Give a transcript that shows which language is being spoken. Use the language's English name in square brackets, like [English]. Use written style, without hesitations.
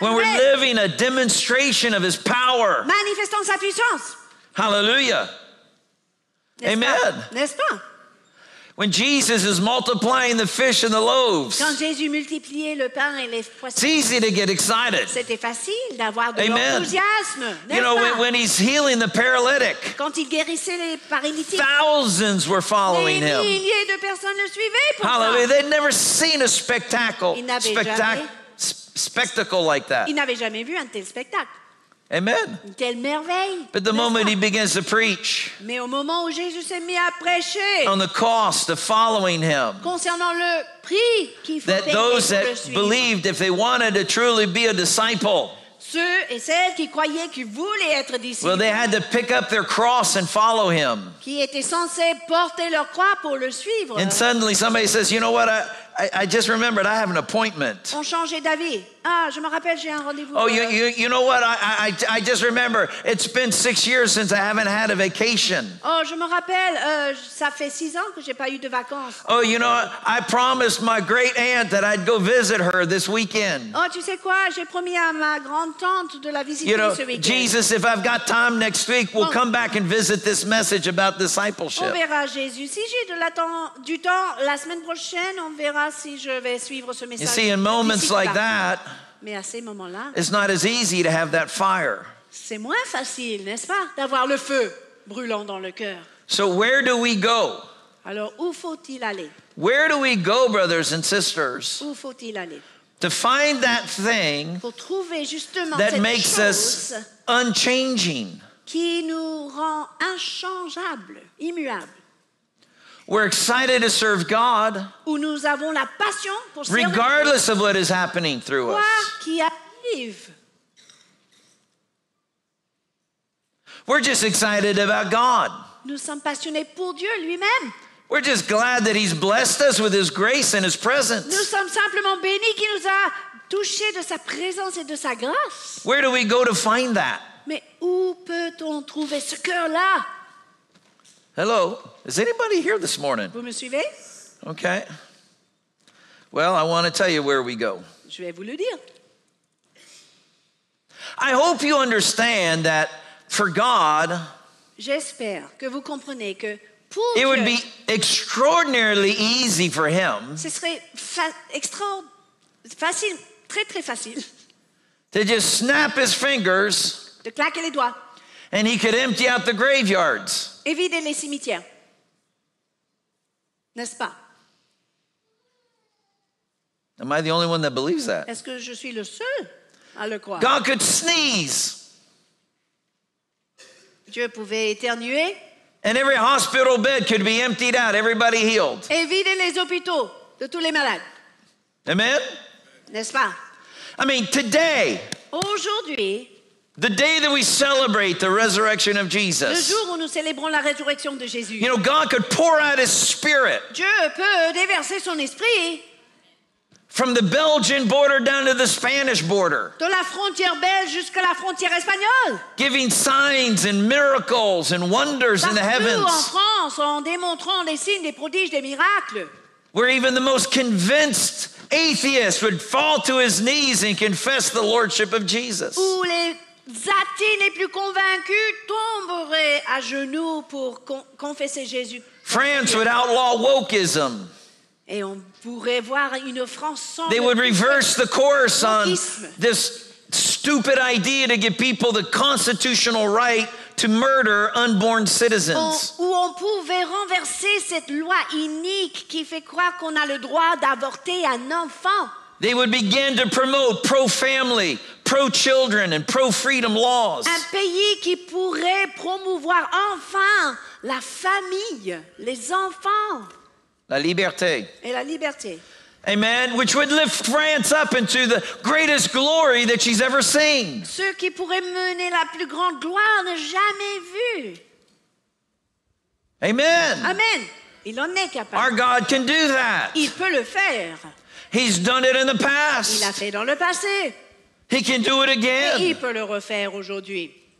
[English] When we're living a demonstration of his power. [French] Manifestant sa puissance. Hallelujah. N'est-ce Amen. Pas? N'est-ce pas? [English] When Jesus is multiplying the fish and the loaves. [French] Quand Jésus multipliait le pain et les poissons. [English] It's easy to get excited. [French] C'était facile d'avoir de l'enthousiasme. [English] You know, when he's healing the paralytic. [French] Quand il guérissait les paralytiques. [English] Thousands were following him. [French] Des milliers de personnes le suivaient pour Hallelujah. Ça. [English] They'd never seen a spectacle. [French] Ils n'avaient spectacle [English] like that. [French] Ils n'avaient jamais vu un tel spectacle. Amen. Quelle merveille. [English] But the moment he begins to preach. [French] Mais au moment où Jésus s'est mis à prêcher. [English] On the cost of following him. [French] Concernant le prix qu'il faut payer pour le suivre. [English] That those that believed if they wanted to truly be a disciple. [French] Ceux et celles qui croyaient qu'ils voulaient être disciples. [English] Well, they had to pick up their cross and follow him. [French] Qui étaient censés porter leur croix pour le suivre. [English] And suddenly somebody says, you know what, I just remembered, I have an appointment. [French] On changeait d'avis. Ah, je me rappelle, j'ai un rendez-vous. [English] Oh, you know what, I just remember, it's been 6 years since I haven't had a vacation. [French] Oh, je me rappelle, ça fait 6 ans que j'ai pas eu de vacances. [English] Oh, you know, I promised my great aunt that I'd go visit her this weekend. [French] Oh, tu sais quoi, j'ai promis à ma grande tante de la visiter, [English] you know, [French] ce week-end. [English] Jesus, if I've got time next week, we'll come back and visit this message about discipleship. [French] On verra, Jésus, si j'ai du temps la semaine prochaine, on verra. [English] You see, in moments like that, [French] mais à ces moments-là, [English] it's not as easy to have that fire. [French] C'est moins facile, n'est-ce pas, d'avoir le feu brûlant dans le cœur. [English] So where do we go? [French] Alors, où faut-il aller? [English] Where do we go, brothers and sisters? [French] Où faut-il aller? [English] To find that thing [French] pour trouver justement [English] that [French] cette [English] makes [French] chose [English] us unchanging. [French] Qui nous rend inchangeable, immuable. [English] We're excited to serve God [French] où nous avons la passion pour servir [English] regardless Dieu. Of what is happening through [French] quoi [English] us. [French] Qui arrive. [English] We're just excited about God. [French] Nous sommes passionnés pour Dieu lui-même. [English] We're just glad that he's blessed us with his grace and his presence. [French] Nous sommes simplement bénis qu'il nous a touchés de sa présence et de sa grâce. [English] Where do we go to find that? [French] Mais où peut-on trouver ce cœur-là? [English] Hello, is anybody here this morning? [French] Vous me suivez? [English] Okay. Well, I want to tell you where we go. [French] Je vais vous le dire. [English] I hope you understand that for God, [French] j'espère que vous comprenez que pour [English] it [French] Dieu, [English] would be extraordinarily easy for him [French] ce serait facile, très, très facile, [English] to just snap his fingers [French] de claquer les doigts. [English] And he could empty out the graveyards. [French] Et vider les cimetières. N'est-ce pas? [English] Am I the only one that believes that? [French] Est-ce que je suis le seul à le croire? [English] God could sneeze. [French] Dieu pouvait éternuer. [English] And every hospital bed could be emptied out, everybody healed. [French] Et vider les hôpitaux de tous les malades. Amen? N'est-ce pas? [English] I mean, today. [French] Aujourd'hui. [English] The day that we celebrate the resurrection of Jesus. [French] Le jour où nous célébrons la résurrection de Jésus. [English] You know, God could pour out his spirit. [French] Dieu peut déverser son esprit. [English] From the Belgian border down to the Spanish border. [French] De la frontière belge jusqu'à la frontière espagnole. [English] Giving signs and miracles and wonders [French] partout [English] in the heavens. [French] Partout en France, en démontrant les signes, les prodiges, les miracles. [English] Where even the most convinced atheist would fall to his knees and confess the lordship of Jesus. [French] Où les athées les plus convaincus tomberaient à genoux pour confesser Jésus. [English] France would outlaw wokeism. [French] Et on pourrait voir une France sans. [English] They would reverse the course on this stupid idea to give people the constitutional right to murder unborn citizens. [French] Où on pouvait renverser cette loi inique qui fait croire qu'on a le droit d'avorter un enfant. [English] They would begin to promote pro-family, pro-children, and pro-freedom laws. [French] Un pays qui pourrait promouvoir enfin la famille, les enfants. La liberté. Et la liberté. Amen. [English] Which would lift France up into the greatest glory that she's ever seen. [French] Ce qui pourrait mener la plus grande gloire jamais vue. Amen. Amen. Il en est capable. [English] Our God can do that. [French] Il peut le faire. [English] He's done it in the past. [French] Il a fait dans le passé. [English] He can do it again. [French] Et il peut le refaire aujourd'hui.